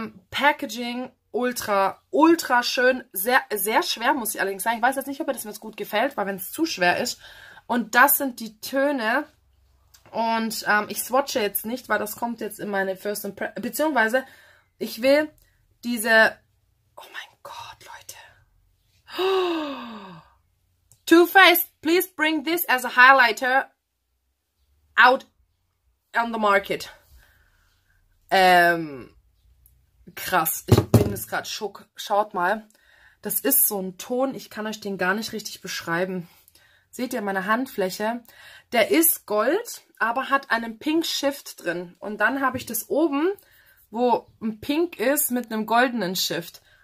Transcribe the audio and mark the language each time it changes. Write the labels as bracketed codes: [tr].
[de] Packaging ultra, ultra schön, sehr, sehr schwer, muss ich allerdings sagen. Ich weiß jetzt nicht, ob mir das jetzt gut gefällt, weil wenn es zu schwer ist. Und das sind die Töne. Und ich swatche jetzt nicht, weil das kommt jetzt in meine First Impression. Beziehungsweise, ich will diese. Oh mein Gott, Leute. [en] Too Faced, please bring this as a highlighter out on the market. [de] Krass, ich bin jetzt gerade schock. Schaut mal, das ist so ein Ton, ich kann euch den gar nicht richtig beschreiben. Seht ihr meine Handfläche? Der ist Gold, aber hat einen Pink Shift drin. Und dann habe ich das oben, wo ein Pink ist, mit einem goldenen Shift.